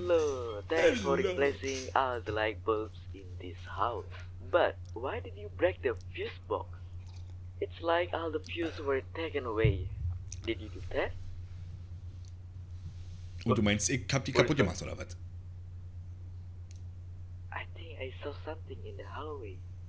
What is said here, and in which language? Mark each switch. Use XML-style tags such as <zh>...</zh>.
<en>Hello, thanks for replacing all the light bulbs in this house. But why did you break the fuse box? It's like all the fuse were taken away. Did you do that?</en> <de>Und du meinst, ich hab die kaputt gemacht, oder was?</de> <en>I think I saw something in the hallway.</en>